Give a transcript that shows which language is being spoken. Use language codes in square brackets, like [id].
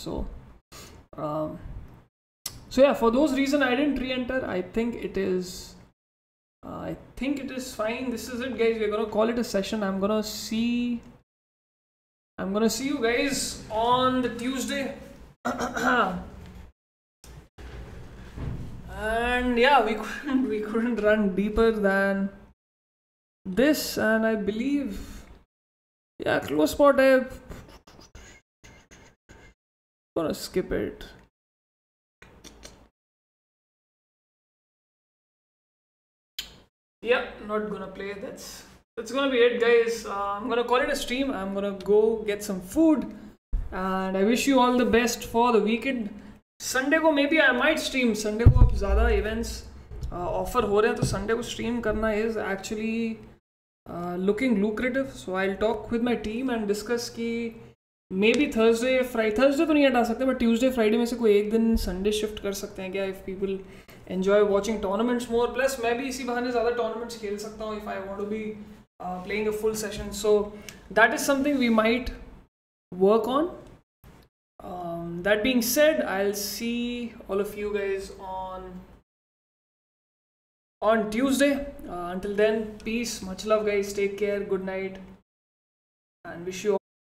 [en] So so yeah for those reason I didn't reenter. I think it is fine. This is it guys. We are gonna call it a session. I am gonna see you guys on the Tuesday. And yeah, we couldn't run deeper than this. And I believe, yeah, close spot. I'm gonna skip it. Yeah, not gonna play. That's gonna be it, guys. I'm gonna call it a stream. I'm gonna go get some food. And I wish you all the best for the weekend. Sunday को maybe I might stream. Sunday [hi] को अब ज़्यादा [en] events offer [hi] हो रहे हैं तो [en] Sunday [hi] को stream करना [en] Is actually looking lucrative. So I will talk with my team and discuss [hi] कि मे बी थर्सडे तो नहीं हटा सकते [en] but Tuesday Friday [hi] में से कोई एक दिन [en] Sunday shift [hi] कर सकते हैं क्या [en] If people enjoy watching tournaments more. Plus [hi] मैं भी इसी बहाने ज़्यादा [en] tournaments [hi] खेल सकता हूँ [en] If I want to be playing a full session. So that is something we might work on. That being said, I'll see all of you guys on Tuesday. Until then, peace, much love guys, take care, good night, and wish you all